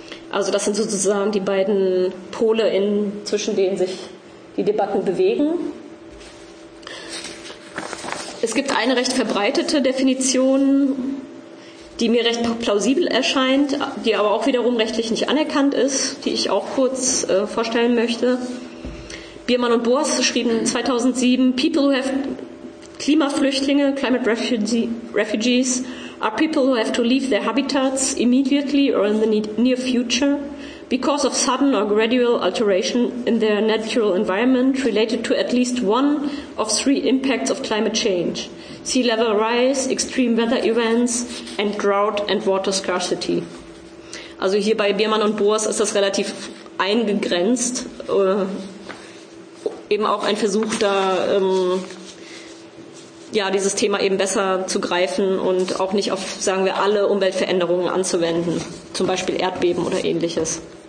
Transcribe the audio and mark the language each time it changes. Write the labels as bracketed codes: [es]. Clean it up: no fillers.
[de] Also das sind sozusagen die beiden Pole, zwischen denen sich die Debatten bewegen. Es gibt eine recht verbreitete Definition, die mir recht plausibel erscheint, die aber auch wiederum rechtlich nicht anerkannt ist, die ich auch kurz vorstellen möchte. [en] Biermann und Boas schrieben 2007, "People who have Klimaflüchtlinge, climate refugees, are people who have to leave their habitats immediately or in the near future because of sudden or gradual alteration in their natural environment related to at least one of three impacts of climate change: sea level rise, extreme weather events and drought and water scarcity." [de] Also hier bei Biermann und Boas ist das relativ eingegrenzt. Eben auch ein Versuch da, dieses Thema eben besser zu greifen und auch nicht auf, sagen wir, alle Umweltveränderungen anzuwenden, zum Beispiel Erdbeben oder Ähnliches.